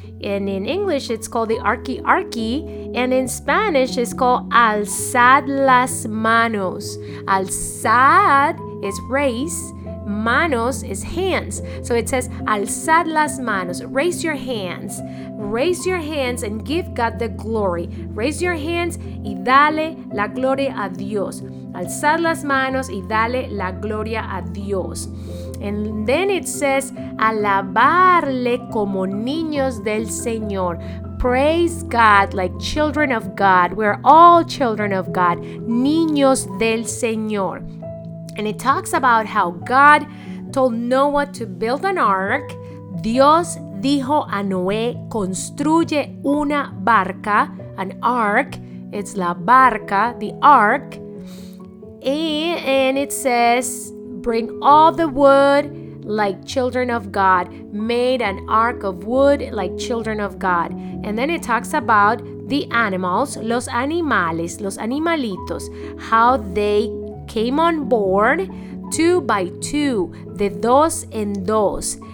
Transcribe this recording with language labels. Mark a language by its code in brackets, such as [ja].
[en] And in English, it's called the Arki Arki, and in Spanish, it's called Alzad las Manos. Alzad is raise, manos is hands. So it says, Alzad las Manos, raise your hands. Raise your hands and give God the glory. Raise your hands [es] y dale la gloria a Dios. Alzad las manos y dale la gloria a Dios. [en] And then it says, [es] alabarle como niños del Señor. [en] Praise God like children of God. We're all children of God. [es] Niños del Señor. [en] And it talks about how God told Noah to build an ark. [es] Dios dijo a Noé, construye una barca, an ark. [en] It's la barca, the ark. And it says, bring all the wood like children of God. Made an ark of wood like children of God. And then it talks about the animals, [es] los animales, los animalitos, [en] how they came on board two by two, [es] de dos en dos.